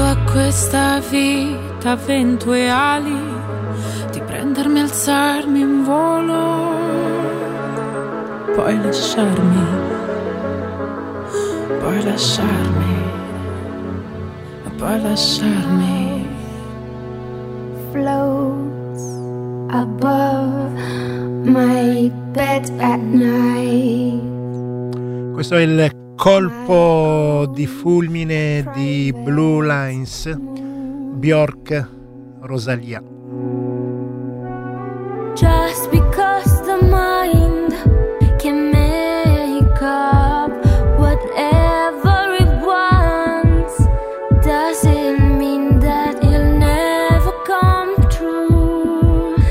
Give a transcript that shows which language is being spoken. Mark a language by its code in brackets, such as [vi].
[it] Questa vita, vento e ali, di prendermi, alzarmi in volo, poi lasciarmi, poi lasciarmi, poi lasciarmi. [en] Floats above my bed at night. [it] Questo è il colpo di fulmine di Blue Lines, Björk, Rosalia. [en] Just because the mind can make up whatever it wants, does it mean that it'll never come true?